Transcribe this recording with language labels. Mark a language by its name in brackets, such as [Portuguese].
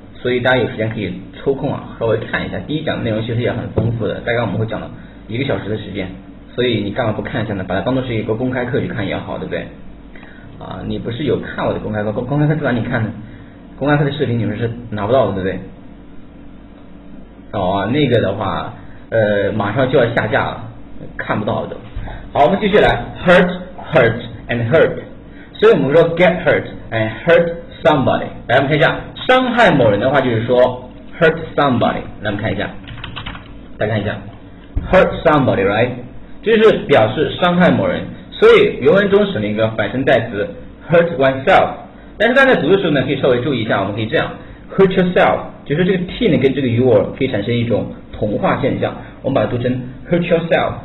[Chinese] 所以大家有时间可以抽空啊，稍微看一下。第一讲的内容其实也很丰富的，大概我们会讲了一个小时的时间，所以你干嘛不看一下呢？把它当做是一个公开课去看也好，对不对？啊，你不是有看我的公开课，公开课在哪里看呢？公开课的视频你们是拿不到的，对不对？哦，那个的话，马上就要下架了，看不到的。好，我们继续来， [English] hurt，hurt and hurt， [Chinese] 所以我们说 [English] get hurt and hurt somebody。 [Chinese] 来，我们看一下，伤害某人的话就是说 [English] hurt somebody。 [Chinese] 来，我们看一下，大家看一下， [English] hurt somebody，right？ [Chinese] 这就是表示伤害某人，所以原文中使了一个反身代词 [English] hurt oneself。 [Chinese] 但是大家在读的时候呢，可以稍微注意一下，我们可以这样， [English] hurt yourself， [Chinese] 就是这个 t 呢跟这个 your 可以产生一种同化现象，我们把它读成 hurt yourself。